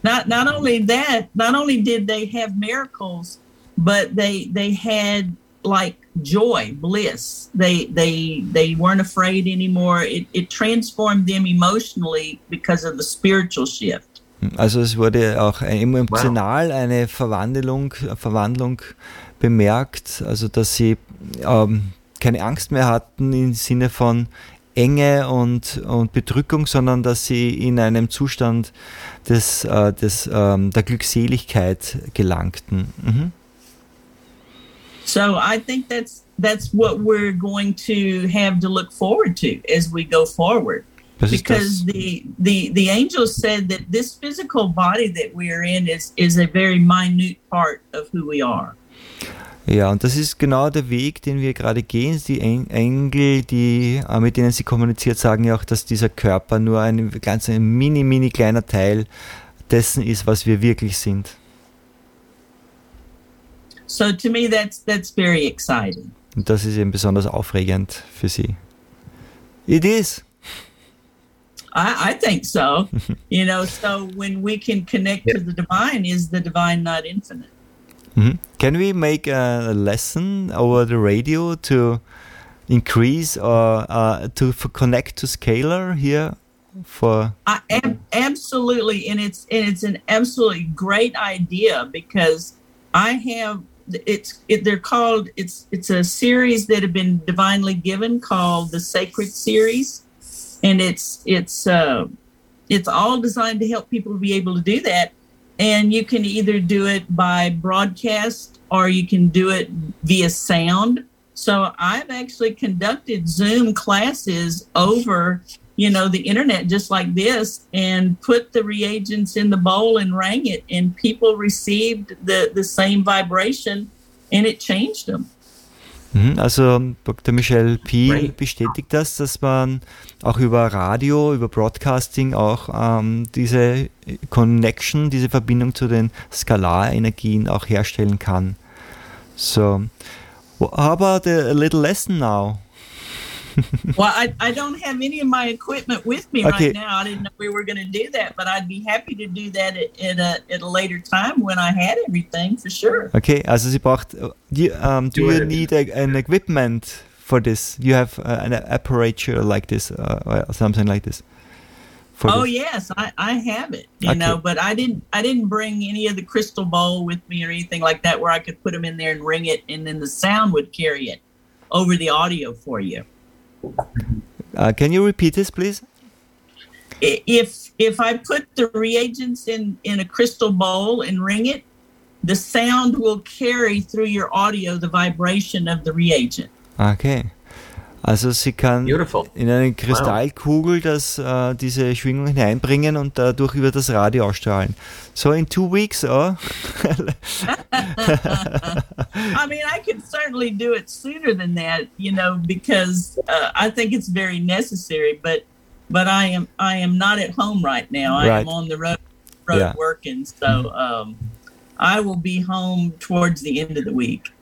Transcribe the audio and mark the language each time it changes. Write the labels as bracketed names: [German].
[English] Not only that, not only did they have miracles, but they had like joy, bliss. They weren't afraid anymore. It transformed them emotionally because of the spiritual shift. [German] Also es wurde auch emotional wow. eine Verwandlung bemerkt, also dass sie keine Angst mehr hatten im Sinne von Enge und Bedrückung, sondern dass sie in einem Zustand der Glückseligkeit gelangten. Mhm. [English] So I think that's what we're going to have to look forward to as we go forward. [German] Das [English] because the angel said that this physical body that we are in is a very minute part of who we are. [German] Ja, und das ist genau der Weg, den wir gerade gehen. Die Engel, die mit denen sie kommuniziert, sagen ja auch, dass dieser Körper nur ein ganz mini kleiner Teil dessen ist, was wir wirklich sind. [English] So to me that's very exciting. [German] Und das ist eben besonders aufregend für sie. [English] It is. I think so. You know, so when we can connect yeah. to the divine, is the divine not infinite? Mm-hmm. Can we make a lesson over the radio to increase or connect to scalar here for? Absolutely, and it's an absolutely great idea because I have it's a series that have been divinely given called the Sacred Series, and it's all designed to help people be able to do that. And you can either do it by broadcast or you can do it via sound. So I've actually conducted Zoom classes over, you know, the internet just like this and put the reagents in the bowl and rang it. And people received the same vibration and it changed them. [German] Also Dr. Michel Piel bestätigt das, dass man auch über Radio, über Broadcasting auch diese Connection, diese Verbindung zu den Skalarenergien auch herstellen kann. [English] So, how about a little lesson now? Well, I don't have any of my equipment with me okay. right now. I didn't know we were going to do that, but I'd be happy to do that at a later time when I had everything for sure. Okay, [German] also sie braucht. [English] Do you need an equipment for this? You have an apparatus like this, or something like this. Oh yes, I have it. You okay. know, but I didn't bring any of the crystal bowl with me or anything like that where I could put them in there and ring it, and then the sound would carry it over the audio for you. Can you repeat this, please? If I put the reagents in a crystal bowl and ring it, the sound will carry through your audio the vibration of the reagent. [German] Okay. Also sie kann [English] beautiful. [German] In eine Kristallkugel das diese Schwingung hineinbringen und dadurch über das Radio ausstrahlen. [English] So in 2 weeks, oh. I mean, I could certainly do it sooner than that, you know, because I think it's very necessary, but But I am not at home right now. Right. I am on the road yeah. working. So I will be home towards the end of the week.